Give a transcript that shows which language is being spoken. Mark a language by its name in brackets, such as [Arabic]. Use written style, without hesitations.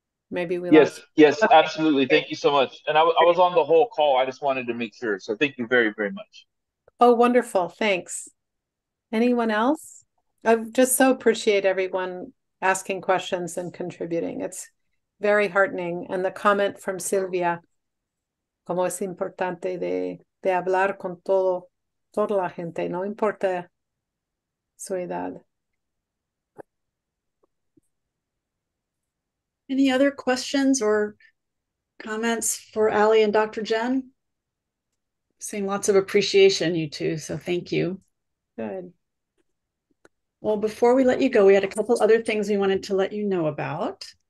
[English] Maybe we Yes, lost. Yes, okay. Absolutely. Thank you so much. And I was on the whole call. I just wanted to make sure. So thank you very, very much. Oh, wonderful. Thanks. Anyone else? I just so appreciate everyone asking questions and contributing. It's very heartening. And the comment from Silvia, [Spanish] como es importante de hablar con toda la gente, no importa su edad. [English] Any other questions or comments for Ali and Dr. Jen? Seeing lots of appreciation, you two, so thank you. Good. Well, before we let you go, we had a couple other things we wanted to let you know about.